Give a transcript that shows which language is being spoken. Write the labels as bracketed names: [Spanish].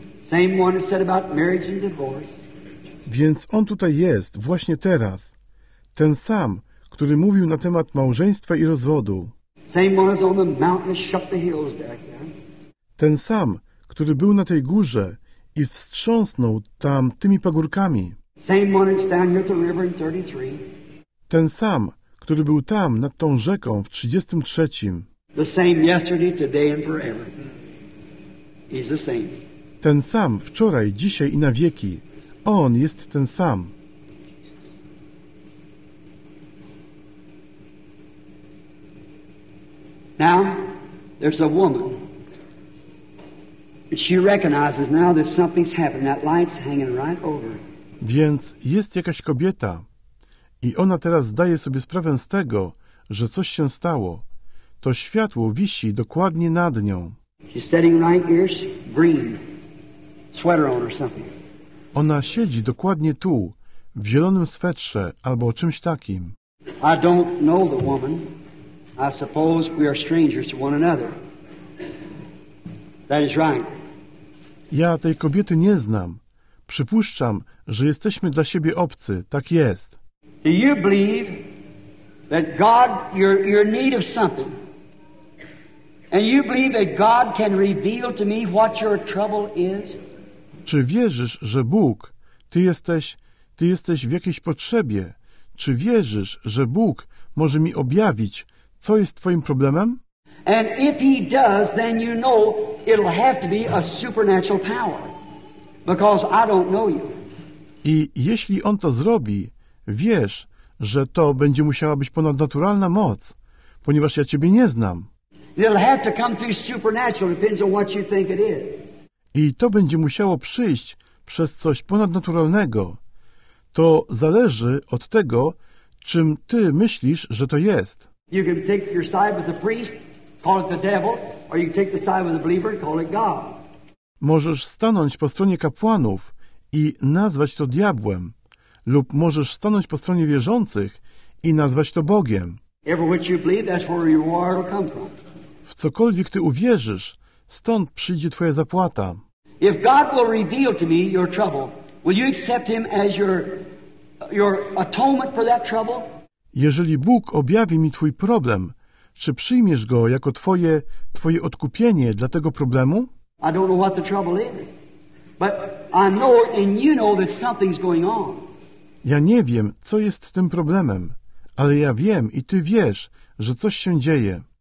[English] Same one that said about marriage and divorce. [Polish] Więc on tutaj jest, właśnie teraz. Ten sam, który mówił na temat małżeństwa i rozwodu. [English] Same one on the mountain that shut the hills back there. [Polish] Ten sam, który był na tej górze i wstrząsnął tam tymi pagórkami. [English] Same one that's down here at the river in 33. [Polish] Ten sam, który był tam nad tą rzeką w 33. [English] The same yesterday, today and forever. He's the same. [Polish] Ten sam wczoraj, dzisiaj i na wieki. On jest ten sam. [English] Now, there's a woman. She recognizes now that something's happened. That light's hanging right over. [Polish] Więc jest jakaś kobieta i ona teraz zdaje sobie sprawę z tego, że coś się stało. To światło wisi dokładnie nad nią. [English] She's sitting right here, green sweater on or something. [Polish] Ona siedzi dokładnie tu, w zielonym swetrze albo o czymś takim. [English] I don't know the woman. I suppose we are strangers to one another. That is right. [Polish] Ja tej kobiety nie znam. Przypuszczam, że jesteśmy dla siebie obcy. Tak jest. [English] Do you believe that God, your need of something, and you believe that God can reveal to me what your trouble is? [Polish] Czy wierzysz, że Bóg, ty jesteś w jakiejś potrzebie? Czy wierzysz, że Bóg może mi objawić, co jest twoim problemem? [English] And if he does, then you know it'll have to be a supernatural power, because I don't know you. [Polish] I jeśli on to zrobi, wiesz, że to będzie musiała być ponadnaturalna moc, ponieważ ja ciebie nie znam. [English] It'll have to come through supernatural, depends on what you think it is. [Polish] I to będzie musiało przyjść przez coś ponadnaturalnego. To zależy od tego, czym ty myślisz, że to jest. [English] You can take your side with the priest, call it the devil, or you can take the side with the believer, call it God. [Polish] Możesz stanąć po stronie kapłanów i nazwać to diabłem, lub możesz stanąć po stronie wierzących i nazwać to Bogiem. [English] Every which you believe, that's where your reward will come from. [Polish] W cokolwiek ty uwierzysz, stąd przyjdzie twoja zapłata. [English] If God will reveal to me your trouble, will you accept him as your atonement for that trouble? [Polish] Jeżeli Bóg objawi mi twój problem, czy przyjmiesz go jako twoje odkupienie dla tego problemu? [English] I don't know what the trouble is, but I know and you know that something's going on. [Polish] Ja nie wiem, co jest tym problemem, ale ja wiem i ty wiesz, że coś się dzieje.